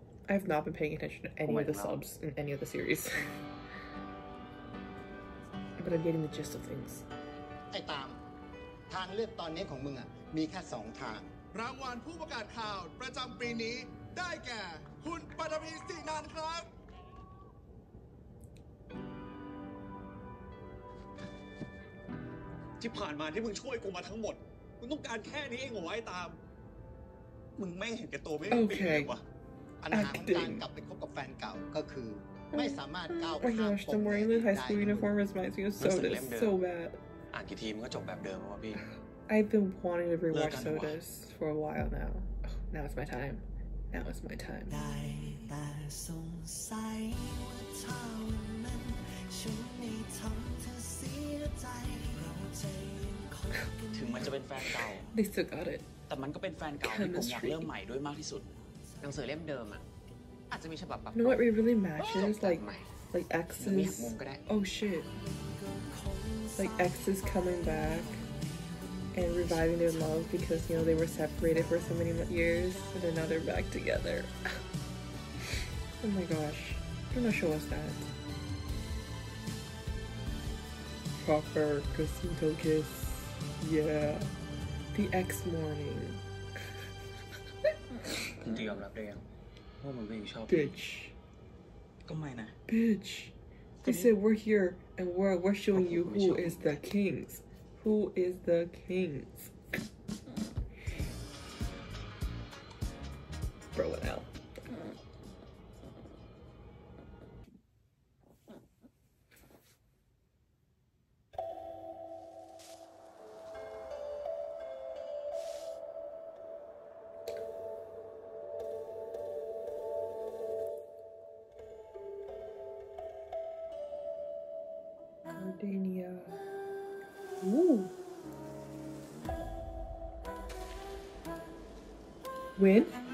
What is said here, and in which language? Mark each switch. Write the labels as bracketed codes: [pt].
[en] I have not been paying attention to any of the subs in any of the series. But I'm getting the gist of things. [th] ไอ้ตามทางเลือกตอนนี้ของมึงอ่ะมีแค่สองทาง รางวัลผู้ประกาศข่าวประจำปีนี้ได้แก่คุณปฐมีสินันครับ ที่ผ่านมาที่มึงช่วยกูมาทั้งหมดมึงต้องการแค่นี้เองเหรอไอ้ตามมึงไม่เห็นแก่ตัวไม่เป็นไรวะอันนั้นการกลับไปคบกับแฟนเก่าก็คือ ไม่สามารถก้าว ข้ามผมได้ [en] The high school uniform reminds me of Sodas so bad [th] อ่านกี่ทีมันก็จบแบบเดิมอ่ะพี่ [en] I've been wanting to rewatch Sodas for a while now now is my time now is my time [th] ได้แต่สงสัยว่าทำมันฉันไม่ทำเธอเสียใจ ถึงมันจะเป็นแฟนเก่า [en] They still got it [th] แต่มันก็เป็นแฟนเก่าที่ผมอยากเริ่มใหม่ด้วยมากที่สุดหนังสือเล่มเดิมอ่ะอาจจะมีฉบับปรับ [en] No what we really match is like X is Oh shit Like X is coming back and reviving their love because you know they were separated for so many years and now they're back together Oh my gosh I'm not sure what's that Proper Kasuto kiss YeahThe X morning [th] คุณจะยอมรับได้ยังว่ามันไม่ชอบ [en] Bitch [th] ก็ไม่นะ [en] Bitch They said we're here and we're showing you who is the kings Who is the kings Bro what hell Win?